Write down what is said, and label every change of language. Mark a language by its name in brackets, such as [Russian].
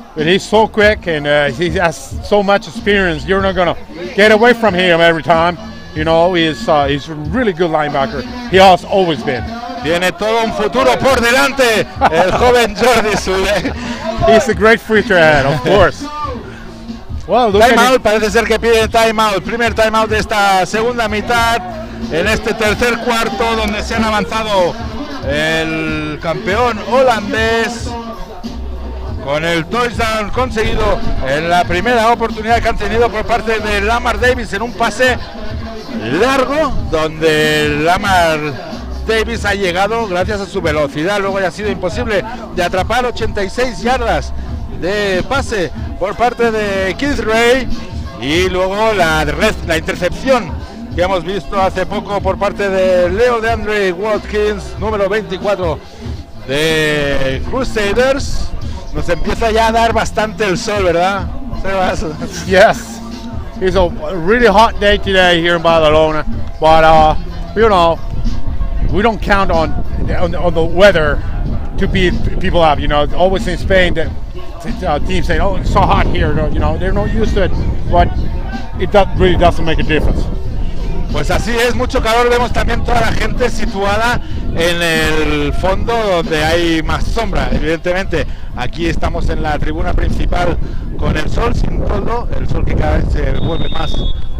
[English] But he's so quick and he has so much experience. You're not going to get away from him every time. You know, he's a really good linebacker. He has always been. [Spanish] Tiene todo un futuro por delante el joven Jordi Zule. [English] He's a great future ahead, of course. [Spanish] Well, time out, parece ser que pide time out. Primer time out de esta segunda mitad. En este tercer cuarto donde se han avanzado el campeón holandés. Con el touchdown conseguido en la primera oportunidad que han tenido por parte de Lamar Davis en un pase largo. Donde Lamar Davis ha llegado gracias a su velocidad, luego ya ha sido imposible de atrapar. 86 yardas de pase por parte de Keith Ray y luego la intercepción que hemos visto hace poco por parte de Leo DeAndre Watkins, número 24 de Crusaders. Nos empieza ya a dar bastante el sol, ¿verdad? Sebas. [English] Yes, it's a really hot day today here in Barcelona, but you know, we don't count on the weather to beat people up. You know, always in Spain, teams say, "Oh, it's so hot here." You know, they're not used to it, but it really doesn't make a difference. [Spanish] Pues así es, mucho calor. Vemos también toda la gente situada en el fondo donde hay más sombra. Evidentemente, aquí estamos en la tribuna principal con el sol sin fondo, el sol que cada vez se vuelve más bajo.